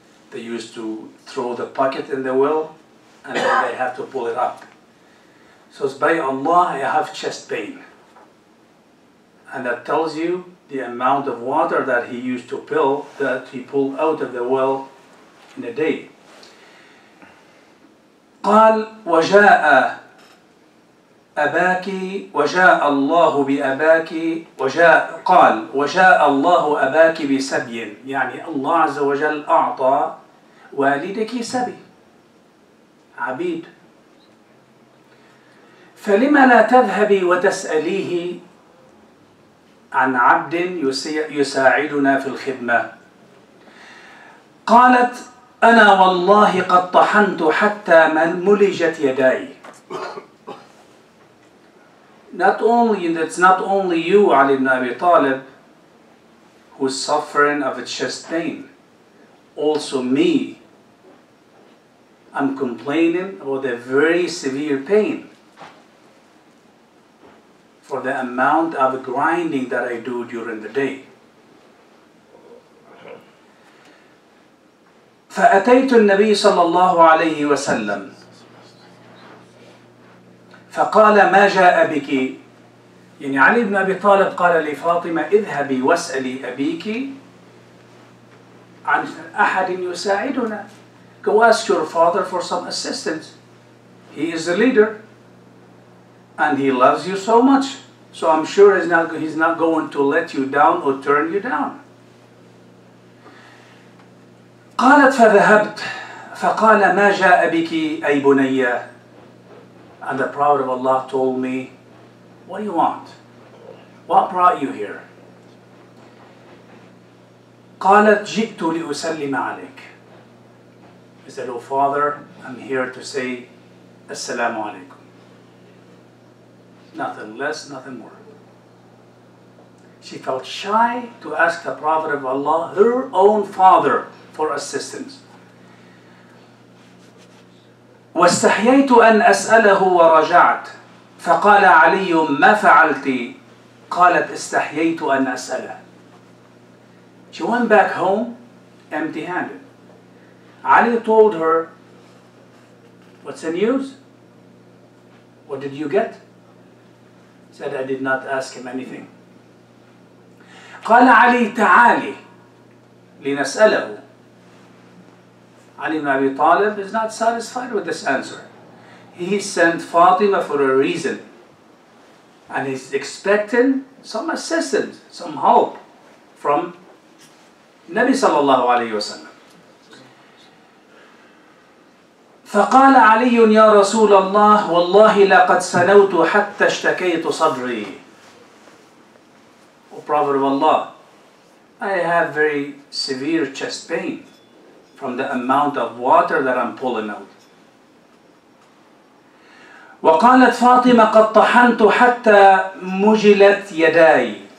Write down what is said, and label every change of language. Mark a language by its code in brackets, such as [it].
[en] They used to throw the bucket in the well and then they have to pull it up. So it's, "By Allah, I have chest pain." And that tells you the amount of water that he used to pull, that he pulled out of the well in a day. [ar] قال: وجاء أباك وجاء الله بأباك وجاء قال وجاء الله أباك بسبي. يعني الله عز وجل أعطى والدك سبي عبيد. فلما لا تذهبي وتسأليه عن عبد يساعدنا في الخدمة؟ قالت: أنا والله قد طحنت حتى من ملجت يداي. [en] Not only, it's not only you, Ali ibn Abi Talib, who's suffering of a chest pain. Also me. I'm complaining about a very severe pain for the amount of grinding that I do during the day. [ar] فأتيت النبي صلى الله عليه وسلم فقال: ما جاء بك؟ يعني علي بن أبي طالب قال لفاطمة: اذهبي واسألي أبيك عن أحد يساعدنا. [en] Go ask your father for some assistance. He is the leader and he loves you so much. So I'm sure he's not going to let you down or turn you down. [ar] قالت: فذهبت. فقال: ما جاء بك أي بنية؟ [en] And the Prophet of Allah told me, "What do you want? What brought you here?" [ar] قالت: جئت لأسلم عليك. [en] He said, "Oh father, I'm here to say [ar] السلام عليكم." [en] Nothing less, nothing more. She felt shy to ask the Prophet of Allah, her own father, for assistance. [ar] واستحييت أن أسأله ورجعت. فقال علي: ما فعلت؟ قالت: استحييت أن أسأله. [en] She went back home empty-handed. Ali told her, "What's the news? What did you get?" Said, "I did not ask him anything." [ar] قال علي: تعالي لنسأله. [en] Ali ibn Abi Talib is not satisfied with this answer. He sent Fatima for a reason. And he's expecting some assistance, some help from Nabi sallallahu alayhi wa sallam. [ar] فقال علي يا رسول الله والله لقد سنوت حتى اشتكيت صدري. [en] O Prophet of Allah, I have very severe chest pain from the amount of water that I'm pulling out. [ar] وقالت فاطمة قد طحنت حتى مجلت يداي.